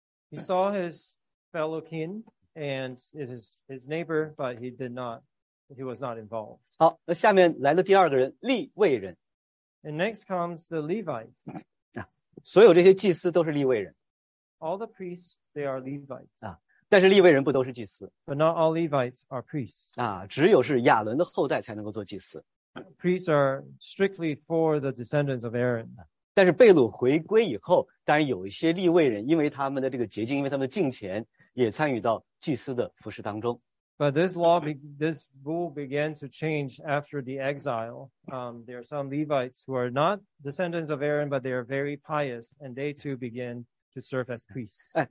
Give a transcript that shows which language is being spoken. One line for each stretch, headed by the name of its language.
English: He saw his fellow kin and his neighbor, but he did not. He was not involved.
Chinese: 好，那下面来的第二个人，利未人。
English: And next comes the Levite.
Chinese: 啊，所有这些祭司都是利未人。
English: All the priests, they are Levites. 啊。
Chinese: 但是利未人不都是祭司,
English: but not all Levites are priests.
Chinese: 啊, 只有是亚伦的后代才能够做祭司。
English: Priests are strictly for the descendants of Aaron.
Chinese: 但是贝鲁回归以后, 当然有一些利未人, 因为他们的这个洁净, 因为他们的敬虔, 也参与到祭司的服侍当中。
English: But this rule began to change after the exile. There are some Levites who are not descendants of Aaron, but they are very pious, and they too begin to serve as priests.